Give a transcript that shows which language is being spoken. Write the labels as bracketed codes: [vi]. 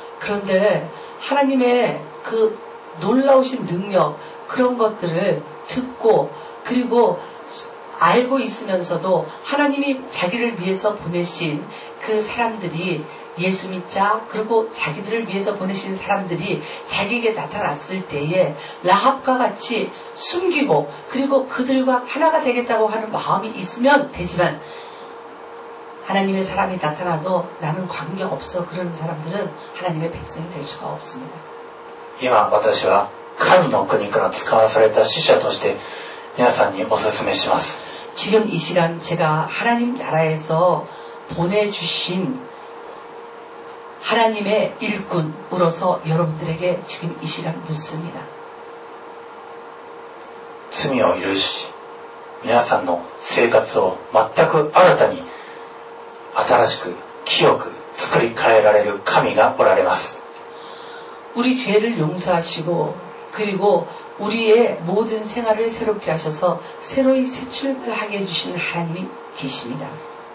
[ko] 그런데하나님의그놀라우신능력그런것들을듣고그리고알고있으면서도하나님이자기를위해서보내신그사람들이예수믿자그리고자기들을위해서보내신사람들이자기에게나타났을때에라합과같이숨기고그리고그들과하나가되겠다고하는마음이있으면되지만하나님의사람이나타나도나는관계없어그런사람들은하나님의백성이될수가없습니다 [ja] 今私は神の国から使わされた使者として皆さんにお勧めします [ko] 지금이시간제가하나님나라에서보내주신하나님의일꾼으로서여러분들에게지금이시간묻습니다 [ja] 罪を許し皆さんの生活を全く新たに新しく清く作り変えられる神がおられます [ko] 우리죄를용서하시고그리고우리의모든생활을새롭게하셔서새로이새출발하게해주시는하나님이계십니다